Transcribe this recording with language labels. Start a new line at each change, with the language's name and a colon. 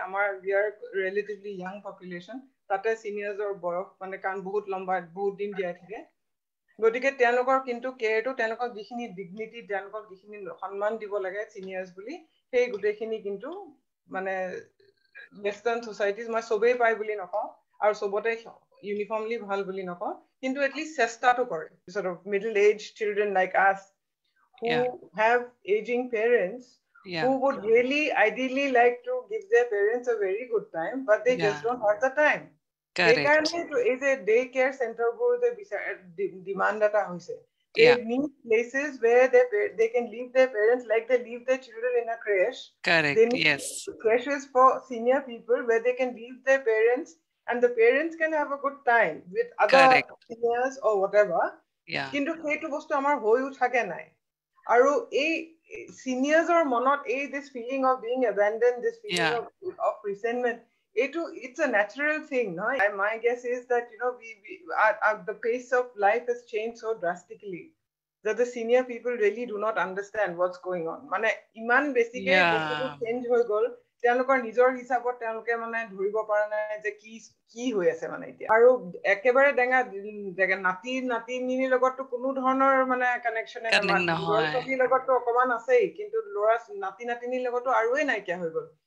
Assamese: আমাৰ ইয়াৰ
English: relatively young population,
Assamese: তাতে ছিনিয়ৰ্ছৰ বয়স মানে কাৰণ বহুত লম্বা, বহুত দিন জীয়াই থাকে, গতিকে তেওঁলোকৰ কিন্তু কেয়াৰটো তেওঁলোকক যিখিনি ডিগনিটি, তেওঁলোকক যিখিনি সন্মান দিব লাগে ছিনিয়ৰ্ছ বুলি, সেই গোটেইখিনি কিন্তু মানে ৱেষ্টাৰ্ণ ছ'চাইটিজ, মই চবেই পায় বুলি নকওঁ আৰু চবতে ইউনিফৰ্মলি ভাল বুলি নকওঁ, কিন্তু এটলিষ্ট চেষ্টাটো কৰে।
English: পিছত middle age children like us who have ageing parents who would really ideally like to give their parents a very good time but they just don't have the time.
Assamese: সেইকাৰণেতো এই যে ডে কেয়াৰ চেণ্টাৰবোৰ যে ডিমাণ্ড এটা হৈছে,
English: places where they can leave their parents like they leave their children in a crèche. Correct, they need yes. Crèches for senior people where they can leave their parents and the parents can have a good time with other Correct. Seniors or whatever. Yeah.
Assamese: কিন্তু সেইটো বস্তু আমাৰ হৈও থাকে নাই। আৰু এই seniorsৰ মনত এই
English: this feeling of being abandoned, this feeling yeah. of resentment, it's a natural thing, no? My guess is that you know we are the pace of life has changed so drastically that the senior people really do not understand what's going on.
Assamese: মানে ইমান বেছিকে change হৈ গল, তেওঁলোকৰ নিজৰ হিচাপত তেওঁলোকে মানে ধৰিব পৰা নাই যে কি কি হৈ আছে মানে এতিয়া। আৰু একেবাৰে ডেঙা ডেঙা নাতি নাতিনীৰ লগততো কোনো ধৰণৰ মানে কানেকশ্যনে নাই, লগততো অকণমান আছেই কিন্তু ল'ৰা নাতি নাতিনীৰ লগতো আৰুৱেই নাইকিয়া হৈ গল।